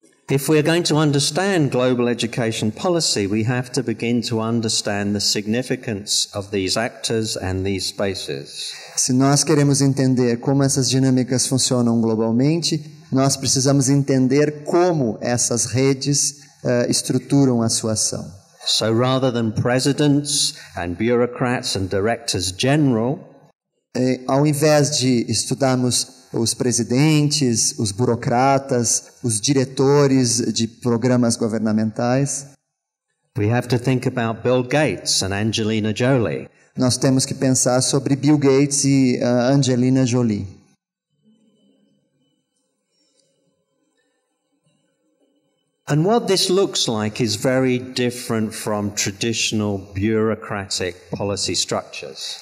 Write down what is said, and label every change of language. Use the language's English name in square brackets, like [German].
[English] If we are going to understand global education policy, we have to begin to understand the significance of these actors and these spaces. [Portuguese] Se nós queremos entender como essas dinâmicas funcionam globalmente, nós precisamos entender como essas redes estruturam a sua ação. [English] So rather than presidents and bureaucrats and directors general, [Portuguese] ao invés de estudarmos os presidentes, os burocratas, os diretores de programas governamentais. [English] We have to think about Bill Gates and Angelina Jolie. [Portuguese] Nós temos que pensar sobre Bill Gates e Angelina Jolie. [English] And what this looks like is very different from traditional bureaucratic policy structures.